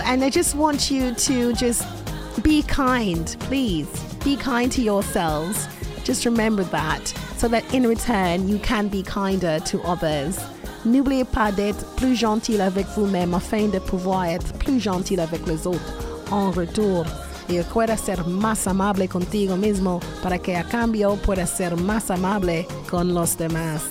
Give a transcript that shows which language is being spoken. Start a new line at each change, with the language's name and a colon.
English: And I just want you to just be kind, please. Be kind to yourselves. Just remember that so that in return you can be kinder to others.
French: N'oubliez pas d'être plus gentil avec vous-même afin de pouvoir être plus gentil avec les autres en retour.
Spanish: Y recuerda ser más amable contigo mismo para que a cambio pueda ser más amable con los demás.